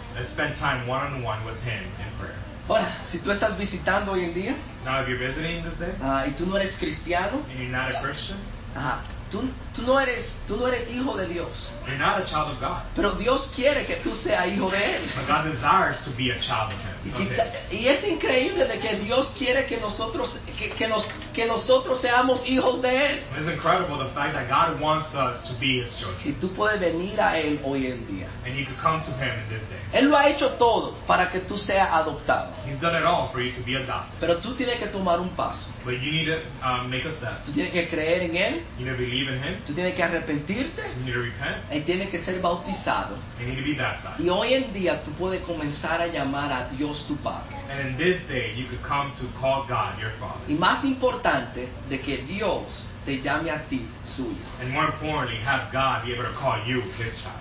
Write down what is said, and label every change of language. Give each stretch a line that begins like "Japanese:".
English: Let's spend time one-on-one with him in prayer.
Spanish: Ahora, si tú estás visitando hoy en día.
English: Now, if you're visiting this day.
Spanish: Y tú no eres cristiano.
English: And you're not a Christian.
Spanish: Tú no eres hijo de Dios.
English: You're not a child of God.
Spanish: Pero Dios quiere que tú seas hijo de él.
English: But God desires to be a child of him.
Spanish: Y es increíble de que Dios quiere que nosotros que nosotros seamos hijos de él.
English: It's incredible the fact that God wants us to be his children.
Spanish: Y tú puedes venir a él hoy en día.
English: And you can come to him in this day.
Spanish: Él lo ha hecho todo para que tú seas adoptado.
English: He's done it all for you to be adopted.
Spanish: Pero tú tienes que tomar un paso.
English: But you need to make a step.
Spanish: Tú tienes que creer en él.
English: You need to believe in him.
Spanish: Tú tienes que arrepentirte.
English: You need to repent.
Spanish: Y tienes que ser bautizado.
English: You need to be baptized.
Spanish: Y hoy en día tú puedes comenzar a llamar a Dios tu padre.
English: And in this day you could come to call God your father.
Spanish: Y más importante de que Dios te llame a ti suyo.
English: And more importantly, have God be able to call you his child.